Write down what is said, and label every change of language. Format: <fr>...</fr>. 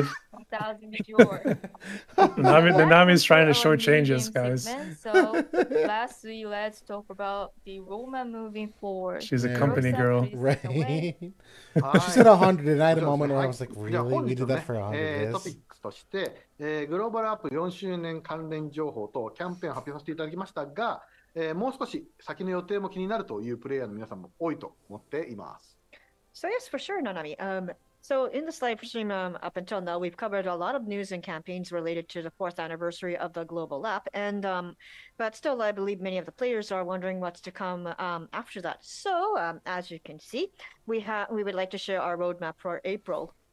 <en>1,000 is your. Nami is trying to shortchange us, guys. So lastly, let's talk about the Roman moving forward. She's a company girl. Right. She said 100, and I had a moment where I was like, really? We did that for 100 years?</en> <ja>としてグローバルアップ4周年関連情報とキャンペーン発表させていただきましたが、もう少し先の予定も気になるというプレイヤーの皆さんも多いと思っています。</ja> <en>So yes, for sure, Nanami. So in this live stream, up until now, we've covered a lot of news and campaigns related to the fourth anniversary of the global app. And but still, I believe many of the players are wondering what's to come after that. So as you can see, we would like to share our roadmap for April.</en>